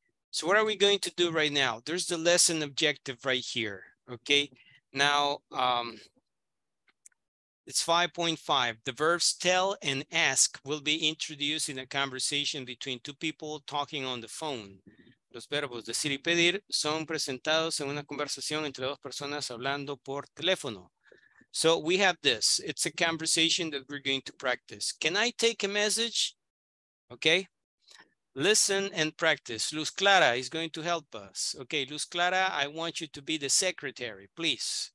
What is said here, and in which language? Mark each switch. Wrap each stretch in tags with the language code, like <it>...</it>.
<en>So what are we going to do right now? There's the lesson objective right here. Okay, now it's 5.5. The verbs tell and ask will be introduced in a conversation between two people talking on the phone.</en> <es>Los verbos decir y pedir son presentados en una conversación entre dos personas hablando por teléfono.</es> <en>So we have this. It's a conversation that we're going to practice. Can I take a message? Okay. Listen and practice. Luz Clara is going to help us. Okay, Luz Clara, I want you to be the secretary, please.</en>